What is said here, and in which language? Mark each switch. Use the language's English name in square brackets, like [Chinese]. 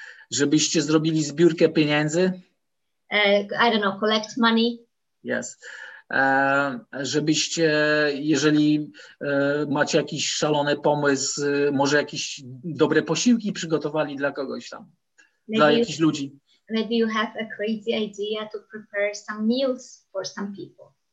[Polish] Żebyście zrobili zbiórkę pieniędzy. [English] I don't know, collect money. Yes. [Polish] Żebyście, jeżeli macie jakiś szalony pomysł, może jakieś dobre posiłki przygotowali dla kogoś tam, maybe dla jakichś ludzi. [English] Maybe you have a crazy idea to prepare some meals for some people.